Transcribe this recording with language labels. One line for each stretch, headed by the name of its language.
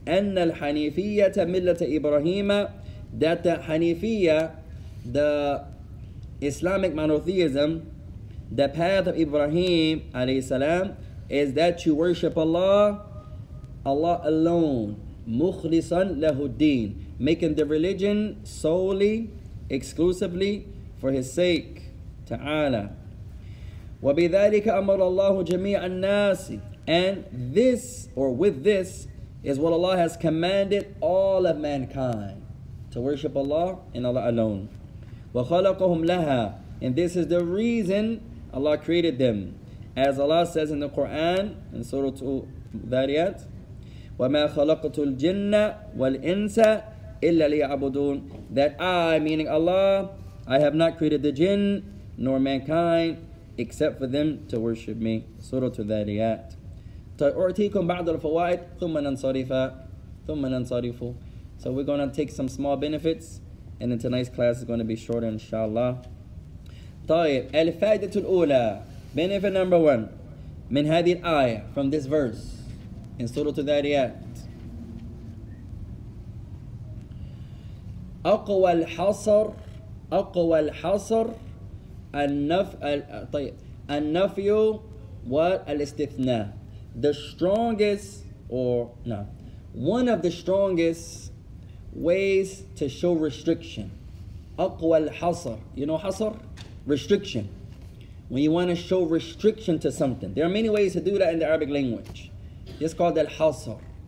Arabic: أن الحنيفية ملة إبراهيم,
English: that the Hanifiyya, the Islamic monotheism, the path of Ibrahim عليه السلام, is that you worship Allah, Allah alone,
Arabic: مخلصا له الدين,
English: making the religion solely, exclusively for his sake, تعالى.
Arabic: وبذلك أمر الله جميع الناس.
English: And this, or with this, is what Allah has commanded all of mankind, to worship Allah and Allah alone.
Arabic: وَخَلَقَهُمْ لَهَا.
English: And this is the reason Allah created them. As Allah says in the Quran, in Surah Dhariyat,
Arabic: وَمَا خَلَقْتُ الْجِنَّ وَالْإِنسَ إِلَّا لِيَعْبُدُونَ.
English: That I, meaning Allah, I have not created the jinn nor mankind except for them to worship me. Surah Dhariyat.
Arabic: سأعطيكم بعض الفوائد ثم ننصرف ثم ننصرف.
English: So we're going to take some small benefits, and then tonight's class is going to be shorter, inshallah.
Arabic: طيب, الفائدة الأولى,
English: benefit number one,
Arabic: من هذه الآية,
English: from this verse, in Surah Al-Thalaathah.
Arabic: أقوى الحصر, أقوى الحصر, النفي والاستثناء.
English: The strongest, one of the strongest ways to show restriction.
Arabic: أقوى الحصر.
English: You know حصر? Restriction. When you want to show restriction to something. There are many ways to do that in the Arabic language. It's called الحصر.